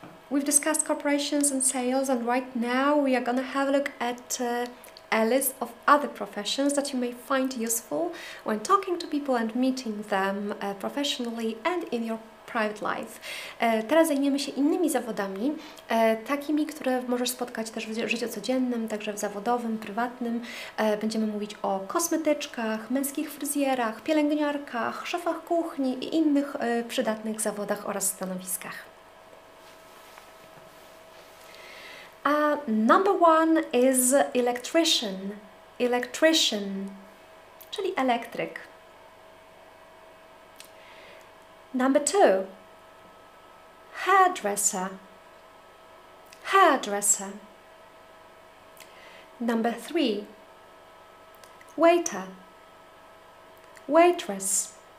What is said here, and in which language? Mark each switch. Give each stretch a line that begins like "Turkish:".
English: We've discussed corporations and sales, and right now we are going to have a look at a list of other professions that you may find useful when talking to people and meeting them professionally and in your private life.
Polish: Teraz zajmiemy się innymi zawodami, takimi, które możesz spotkać też w życiu codziennym, także w zawodowym, prywatnym. Będziemy mówić o kosmetyczkach, męskich fryzjerach, pielęgniarkach, szefach kuchni i innych przydatnych zawodach oraz stanowiskach.
English: Number one is electrician.
Polish: Electrician, czyli elektryk.
English: Number two, hairdresser, hairdresser. Number three, waiter, waitress.